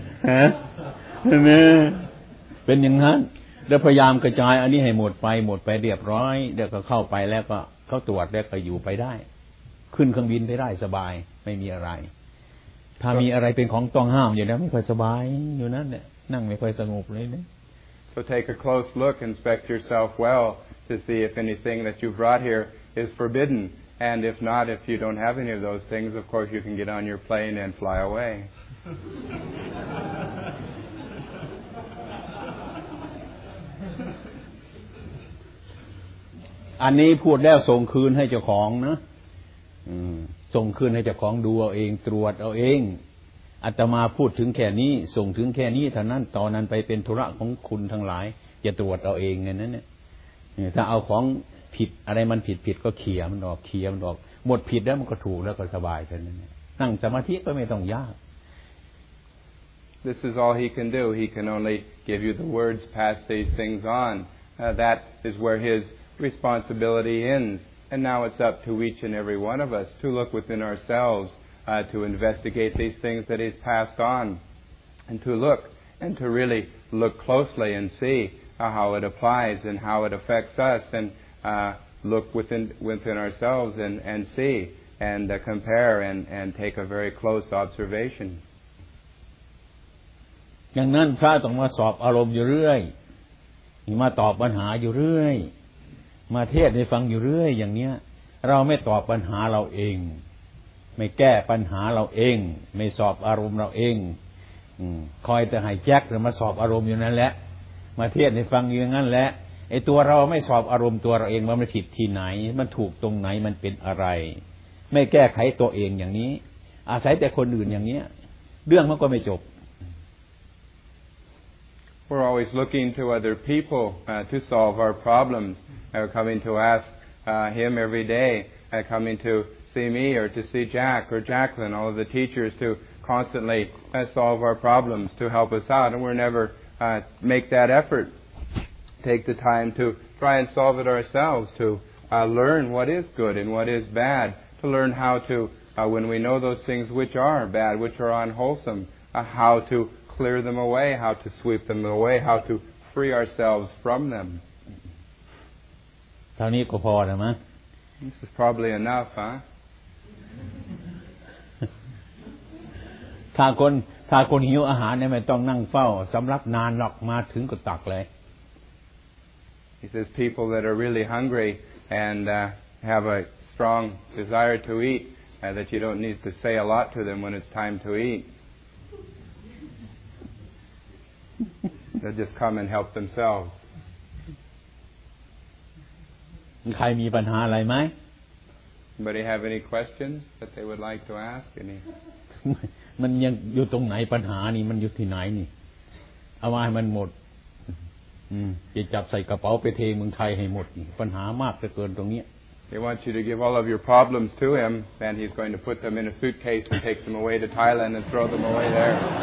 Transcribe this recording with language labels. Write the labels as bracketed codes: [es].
[th] ฮะเนี่ยเป็นอย่างนั้นเดี๋ยวพยายามกระจายอันนี้ให้หมดไปหมดไปเรียบร้อยเดี๋ยวก็เข้าไปแล้วก็เข้าตรวจแล้วก็อยู่ไปได้ขึ้นเครื่องบินไปได้สบายไม่มีอะไรถ้ามีอะไรเป็นของต้องห้ามอยู่แล้วไม่ค่อยสบายอยู่นั่นเนี่ยนั่งไม่ค่อยสงบเลยนะ [en] So take a close look inspect yourself well to see if anything that you've brought here is forbidden and if not if you don't have any of those things of course you can get on your plane and fly away [th] อันนี้พูดแล้วส่งคืนให้เจ้าของนะส่งคืนให้เจ้าของดูเอาเองตรวจเอาเองอาตมาพูดถึงแค่นี้ส่งถึงแค่นี้เท่านั้นตอนนั้นไปเป็นธุระของคุณทั้งหลายอย่าตรวจเอาเองไงนั้นเนี่ยถ้าเอาของผิดอะไรมันผิดผิดก็เคลียร์มันออกเคลียร์มันออกหมดผิดแล้วมันก็ถูกแล้วก็สบายแค่นั้นนั่งสมาธิก็ไม่ต้องยาก [en] This is all he can do he can only give you the words pass these things on that is where hisResponsibility ends, and now it's up to each and every one of us to look within ourselves to investigate these things that he's passed on, and to look, and to really look closely and see how it applies and how it affects us, and look within ourselves and see and compare and take a very close observation. [th] ดังนั้นพระต้องมาสอบอารมณ์อยู่เรื่อยมาตอบปัญหาอยู่เรื่อยมาเทศให้ฟังอยู่เรื่อยอย่างเนี้ยเราไม่ตอบปัญหาเราเองไม่แก้ปัญหาเราเองไม่สอบอารมณ์เราเองคอยแต่ให้แจ็คหรือมาสอบอารมณ์อยู่นั่นแหละมาเทศให้ฟังอยู่งั้นแหละไอ้ตัวเราไม่สอบอารมณ์ตัวเราเองว่ามันผิดที่ไหนมันถูกตรงไหนมันเป็นอะไรไม่แก้ไขตัวเองอย่างนี้อาศัยแต่คนอื่นอย่างเนี้ยเรื่องมันก็ไม่จบ [en] We're always looking to other people to solve our problems. We're coming to ask him every day, coming to see me or to see Jack or Jacqueline, all of the teachers, to constantly solve our problems, to help us out. And we're never make that effort, take the time to try and solve it ourselves, to learn what is good and what is bad, to learn how to, when we know those things which are bad, which are unwholesome, how to... clear them away, how to sweep them away, how to free ourselves from them. [th] เท่านี้ก็พอนะมั้ง [en] This is probably enough, huh? [th] ถ้าคนหิวอาหารเนี่ยไม่ต้องนั่งเฝ้าสำลักนานหรอกมาถึงก็ตักเลย [en] He says people that are really hungry and have a strong desire to eat, that you don't need to say a lot to them when it's time to eat. They just come and help themselves. [th] ใครมีปัญหาอะไรไหม [en] Anybody have any questions that they would like to ask? Any? [th] มันยังอยู่ตรงไหนปัญหานี่มันอยู่ที่ไหนนี่เอามาให้มันหมดจะจับใส่กระเป๋าไปเทเมืองไทยให้หมดปัญหามากเกินตรงนี้ [en] They want you to give all of your problems to him, and he's going to put them in a suitcase and take them away to Thailand and throw them away there.